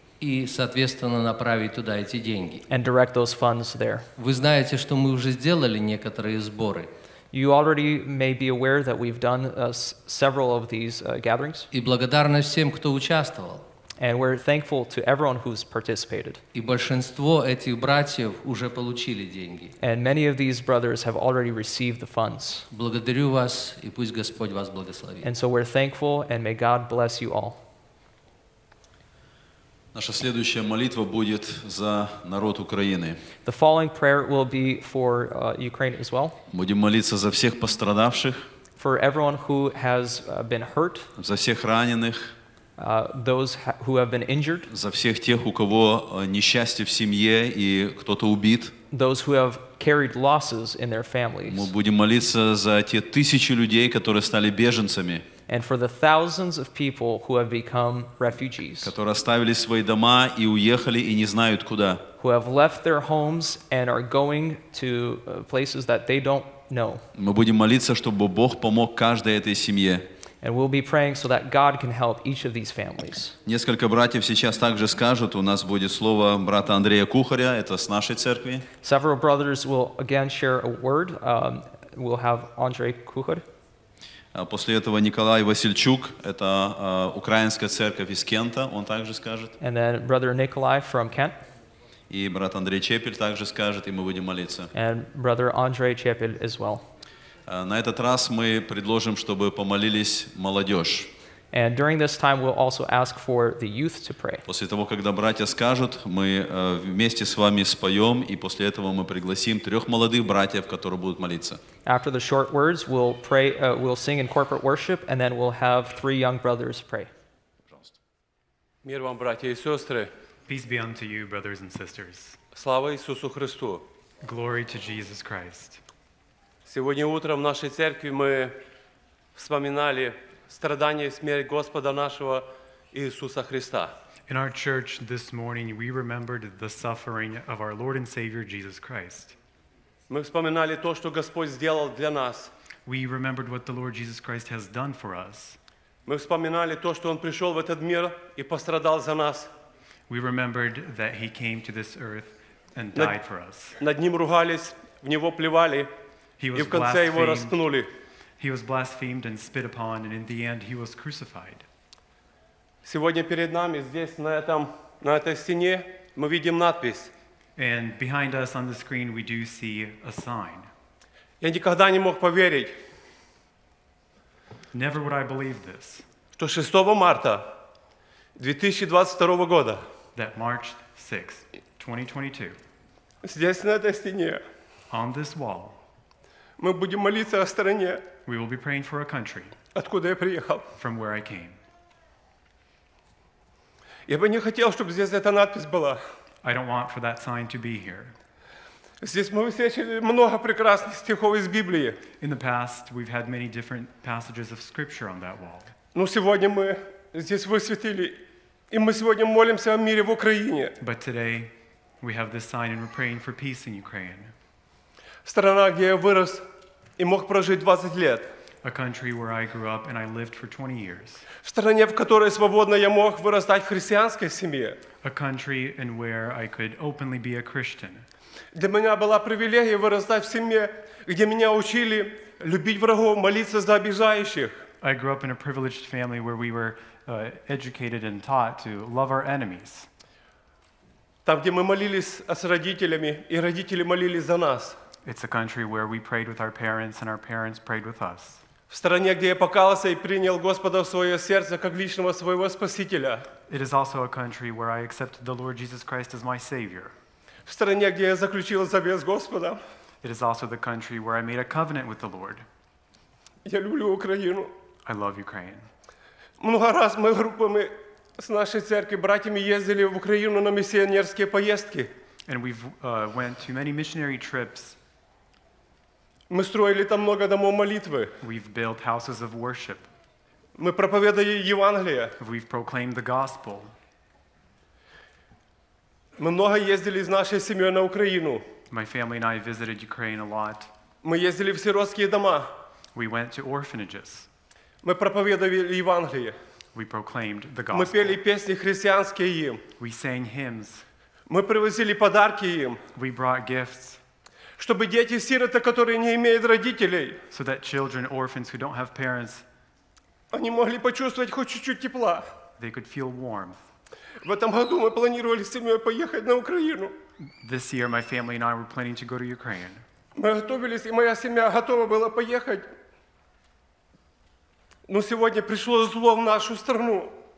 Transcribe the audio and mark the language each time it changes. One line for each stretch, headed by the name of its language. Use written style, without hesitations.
Russian: И, соответственно, направить туда эти деньги.
English: And direct those funds there.
Russian: Вы знаете, что мы уже сделали некоторые сборы.
English: You already may be aware that we've done several of these gatherings.
Russian: И благодарны всем, кто участвовал.
English: And we're thankful to everyone who's participated.
Russian: И большинство этих братьев уже получили деньги.
English: And many of these brothers have already received the funds.
Russian: Благодарю вас, и пусть Господь вас благословит.
English: And so we're thankful, and may God bless you all.
Russian: Наша следующая молитва будет за народ Украины.
English: The following prayer will be for Ukraine as well.
Russian: Будем молиться за всех пострадавших.
English: For everyone who has been hurt.
Russian: За всех раненых.
English: Those who have been injured.
Russian: За всех тех, у кого несчастье в семье и кто-то убит.
English: Those who have carried losses in their families.
Russian: Мы будем молиться за те тысячи людей, которые стали беженцами.
English: And for the thousands of people who have become refugees,
Russian: которые оставили свои дома и уехали и не знают куда,
English: who have left their homes and are going to places that they don't know.
Russian: Мы будем молиться, чтобы Бог помог каждой этой семье.
English: And we'll be praying so that God can help each of these families.
Russian: Несколько братьев сейчас также скажут, у нас будет слово брата Андрея Кухаря, это с нашей церкви.
English: Several brothers will again share a word. We'll have Andrei Kuchar.
Russian: После этого Николай Васильчук, это украинская церковь из Кента, он также скажет.
English: And then brother Nikolai from Kent.
Russian: И брат Андрей Чепель также скажет, и мы будем молиться.
English: And brother Andrei Чепель as well.
Russian: На этот раз мы предложим, чтобы помолились молодежь.
English: And during this time, we'll also ask for the youth to pray.
Russian: После того, когда братья скажут, мы вместе с вами споем, и после этого мы пригласим трех молодых братьев, которые будут молиться.
English: After the short words, we'll pray. We'll sing in corporate worship, and then we'll have three young brothers pray.
Russian: Мир вам, братья и сестры.
English: Peace be unto you, brothers and sisters.
Russian: Слава Иисусу Христу.
English: Glory to Jesus Christ.
Russian: Сегодня утром в нашей церкви мы вспоминали страдания и смерть Господа нашего Иисуса Христа.
English: In our church this morning we remembered the suffering of our Lord and Savior Jesus Christ.
Russian: Мы вспоминали то, что Господь сделал для нас.
English: We remembered what the Lord Jesus Christ has done for us.
Russian: Мы вспоминали то, что Он пришел в этот мир и пострадал за нас.
English: We remembered that He came to this earth and died for us.
Russian: Над Ним ругались, в Него плевали, и в конце Его распнули.
English: He was blasphemed and spit upon, and in the end He was crucified.
Russian: Сегодня перед нами, здесь, на этой стене, мы видим надпись.
English: And behind us on the screen we do see a sign.
Russian: Я никогда не мог поверить.
English: Never would I believe this.
Russian: Что 6 марта 2022 года.
English: That March 6, 2022.
Russian: Здесь, на этой стене.
English: On this wall.
Russian: Мы будем молиться о стране.
English: We will be praying for a country.
Russian: Откуда я приехал.
English: From where I came.
Russian: Я бы не хотел, чтобы здесь эта надпись была.
English: I don't want for that sign to be here.
Russian: Здесь мы встречали много прекрасных стихов из Библии.
English: In the past, we've had many different passages of scripture on that wall.
Russian: Но сегодня мы здесь высветили, и мы сегодня молимся о мире в Украине.
English: But today, we have this sign and we're praying for peace in Ukraine.
Russian: Страна, где я вырос и мог прожить 20 лет.
English: A country where I grew up and I lived for 20 years.
Russian: В стране, в которой свободно я мог вырастать в христианской семье.
English: A country in where I could openly be a Christian.
Russian: Для меня была привилегия вырастать в семье, где меня учили любить врагов, молиться за обижающих.
English: I grew up in a privileged family where we were educated and taught to love our enemies.
Russian: Там, где мы молились с родителями, и родители молились за нас.
English: It's a country where we prayed with our parents and our parents prayed with us.
Russian: В стране, где я покаялся и принял Господа в свое сердце как личного своего спасителя.
English: It is also a country where I accepted the Lord Jesus Christ as my Savior.
Russian: В стране, где я заключил завет с Господом.
English: It is also the country where I made a covenant with the Lord.
Russian: Я люблю Украину.
English: I love Ukraine.
Russian: Много раз мы группами с нашей церкви братьями ездили в Украину на миссионерские поездки.
English: And we've went to many missionary trips.
Russian: Мы строили там много домов молитвы.
English: We've built houses of worship.
Russian: Мы проповедовали Евангелие.
English: We've proclaimed the gospel.
Russian: Мы много ездили с нашей семьей на Украину.
English: My family and I visited Ukraine a lot.
Russian: Мы ездили в сиротские дома.
English: We went to orphanages.
Russian: Мы проповедовали Евангелие.
English: We proclaimed the gospel.
Russian: Мы пели песни христианские им.
English: We sang hymns.
Russian: Мы привозили подарки им.
English: We brought gifts.
Russian: Чтобы дети-сироты, которые не имеют родителей,
English: so that children, orphans who don't have parents,
Russian: они могли почувствовать хоть чуть-чуть тепла.
English: They could feel warmth.
Russian: В этом году мы планировали с семьей поехать на Украину.
English: This year my family and I were planning to go to Ukraine.
Russian: Мы готовились, и моя семья готова была поехать. Но сегодня пришло зло в нашу страну.